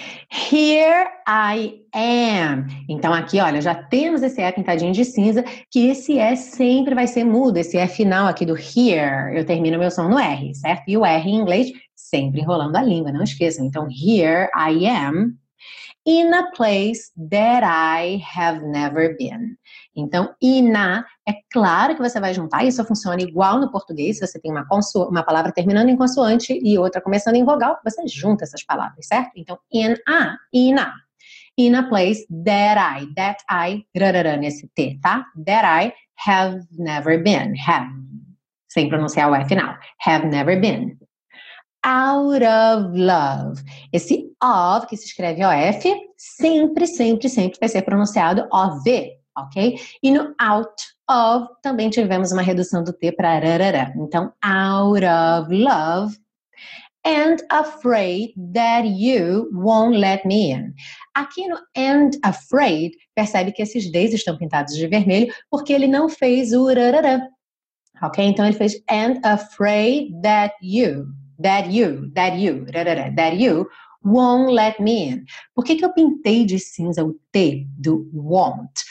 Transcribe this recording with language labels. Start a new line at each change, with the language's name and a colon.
English: Here I am.
Portuguese: Então aqui, olha, já temos esse E pintadinho de cinza, que esse E sempre vai ser mudo, esse E final aqui do here, eu termino meu som no R, certo? E o R em inglês sempre enrolando a língua, não esqueçam. Então,
English: here I am in a place that I have never been.
Portuguese: Então, ina, é claro que você vai juntar, isso funciona igual no português, se você tem uma palavra terminando em consoante e outra começando em vogal, você junta essas palavras, certo? Então, in a, ina,
English: in a place that I,
Portuguese: rarara, nesse T, tá?
English: That I have never been, have,
Portuguese: sem pronunciar o F final,
English: have never been. Out of love.
Portuguese: Esse of, que se escreve OF, sempre, sempre, sempre vai ser pronunciado OV, ok? E no out of, também tivemos uma redução do T para rarara. Então,
English: out of love. And afraid that you won't let me in.
Portuguese: Aqui no
English: and afraid,
Portuguese: percebe que esses D's estão pintados de vermelho porque ele não fez o rarara. Ok? Então, ele fez
English: and afraid that you. That you won't let me in.
Portuguese: Por que que eu pintei de cinza o T do won't?